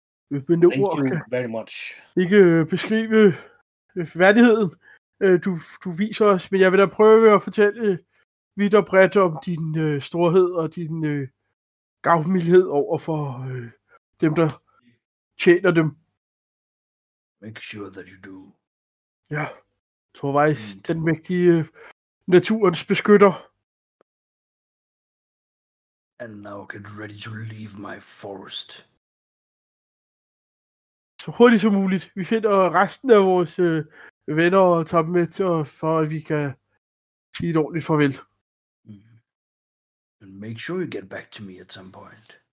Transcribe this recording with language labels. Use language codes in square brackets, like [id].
[da] Men det ord ikke beskrive værdigheden, du viser os, men jeg vil da prøve at fortælle vidt og bredt om din storhed og din gavmildhed over for dem, der tjener dem. [en] Make sure that you do. [da] Ja, tror jeg, den mægtige naturens beskytter. [en] And now get ready to leave my forest. [da] Så hurtigt som muligt. Vi finder resten af vores venner og tager dem med til, for at vi kan sige et ordentligt farvel. [en] And make sure you get back to me at some point.